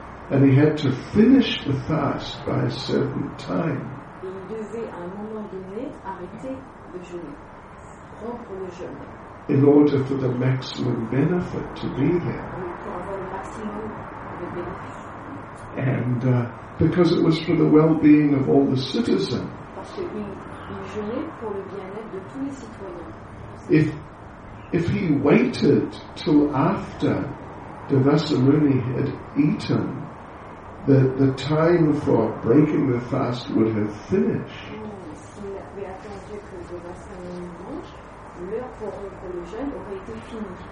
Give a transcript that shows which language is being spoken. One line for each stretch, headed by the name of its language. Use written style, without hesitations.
English: And he had to finish the fast by a certain time.
French: Il devait à un moment donné arrêter de jeûner, rompre le jeûne.
English: In order for the maximum benefit to be there.
French: Pour avoir le maximum de bénéfice.
English: And because it was for the well-being of all the citizens.
French: Parce qu'il jeûnait pour le bien-être de tous les citoyens.
English: If he waited till after Devasa Muni had eaten, the time for breaking the fast would have finished.
French: S'il avait attendu que Devasa Muni mange, l'heure pour rompre le jeûne aurait été finie.